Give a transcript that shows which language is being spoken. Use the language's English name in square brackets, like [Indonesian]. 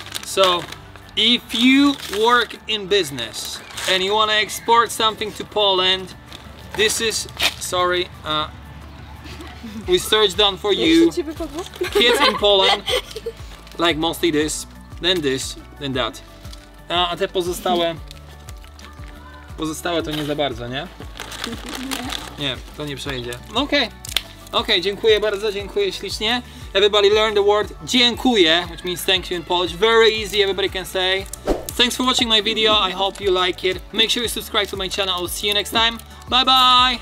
[English] So, if you work in business, and you want to export something to Poland, this is, sorry, research done for you. Kids in Poland like mostly this, then that. [Polish] A te pozostałe? Pozostałe to nie za bardzo, nie? Nie, to nie przejdzie. Okej, dziękuję bardzo, dziękuję ślicznie. [English] Everybody learn the word dziękuję, which means thank you in Polish. Very easy, everybody can say. Thanks for watching my video. I hope you like it. Make sure you subscribe to my channel. I'll see you next time. Bye bye.